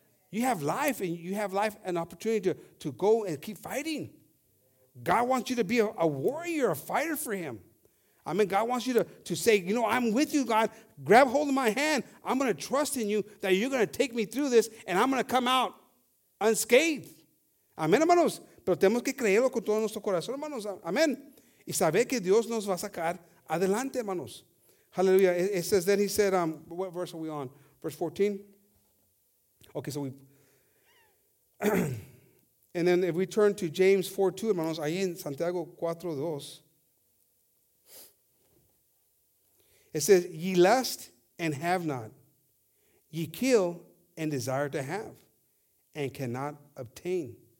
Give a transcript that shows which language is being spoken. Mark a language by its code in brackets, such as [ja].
[en] You have life, and you have life and opportunity to go and keep fighting. God wants you to be a warrior, a fighter for him. I mean, God wants you to say, you know, I'm with you, God. Grab hold of my hand. I'm going to trust in you that you're going to take me through this, and I'm going to come out unscathed. [es] Amén, hermanos. Pero tenemos que creerlo con todo nuestro corazón, hermanos. Amén. Y saber que Dios nos va a sacar adelante, hermanos. Hallelujah. [en] It says, then he said, what verse are we on? Verse 14. Okay, so we, and then if we turn to James 4:2, [es] hermanos, ahí en Santiago 4:2, [en] it says, ye lust and have not, ye kill and desire to have, and cannot obtain.